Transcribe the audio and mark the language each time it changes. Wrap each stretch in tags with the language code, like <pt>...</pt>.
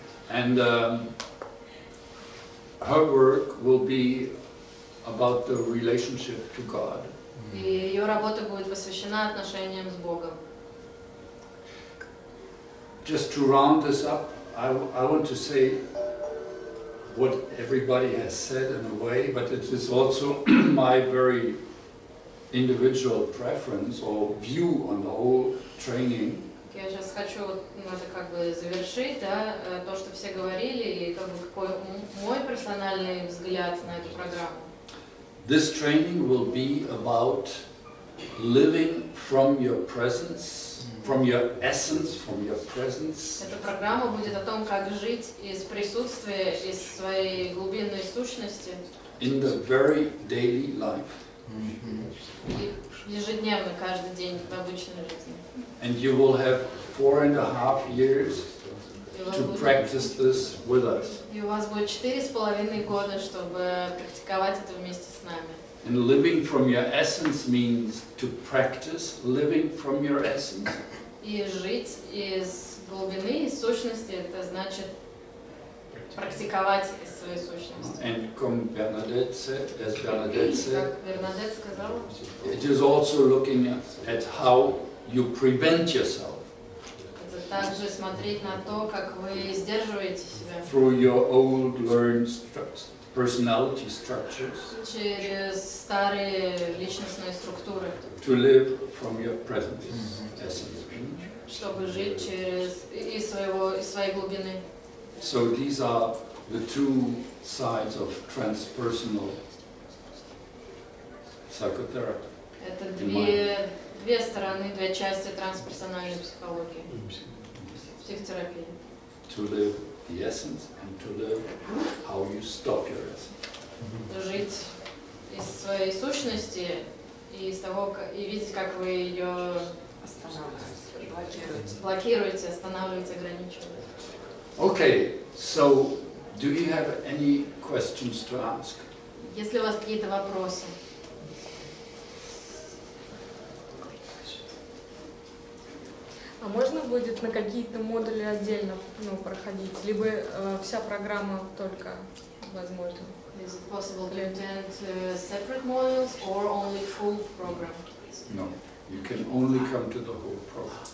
<en>And her work will be about the relationship to God.</en> <ru>И ее работа будет посвящена отношениям с Богом.</ru> <en>Just to round this up, I want to say what everybody has said in a way, but it is also my very individual preference or view on the whole training.</en> <ru>Okay, я сейчас хочу это как бы завершить, да, то, что все говорили, и как бы какой мой персональный взгляд на эту программу.</ru> <en>This training will be about living from your presence, from your essence, from your presence.</en> <ru>Эта программа будет о том, как жить из присутствия, из своей глубинной сущности.</ru> <en>In the very daily life. Mm-hmm.</en> <ru>Ежедневно, каждый день, в обычной жизни.</ru> <en>And you will have 4.5 years to practice this with us.</en> <ru>И у вас будет 4.5 года, чтобы практиковать это вместе с нами.</ru> <en>And living from your essence means to practice living from your essence.</en> <ru>и жить из глубины, из сущности, это значит практиковать из своей сущности.</ru> <en>And come Bernadette said, as Bernadette said,</en> <ru>как Бернадет сказал,</ru> <en>it is also looking at how you prevent yourself.</en> <ru>Это также смотреть на то, как вы сдерживаете себя.</ru> <en>Through your old learned personality structures.</en> <ru>Через старые личностные структуры.</ru> <en>To live from your present essence.</en> <ru>Чтобы жить через из своей глубины.</ru> <en>So these are the two sides of transpersonal psychotherapy.</en> <ru>Это две стороны, две части трансперсональной психологии. Психотерапии.</ru> <en>To live the essence and to live how you stop your essence.</en> <ru>Жить из своей сущности и из того, и видеть, как вы ее блокируете, останавливаете, ограничиваете.</ru> <en>Okay, so do you have any questions to ask?</en> <ru>Если у вас какие-то вопросы. А можно будет на какие-то модули отдельно, ну, проходить? Либо вся программа только возможна?</ru> <en>Is it possible to attend separate modules or only full program? No, you can only come to the whole program.</en>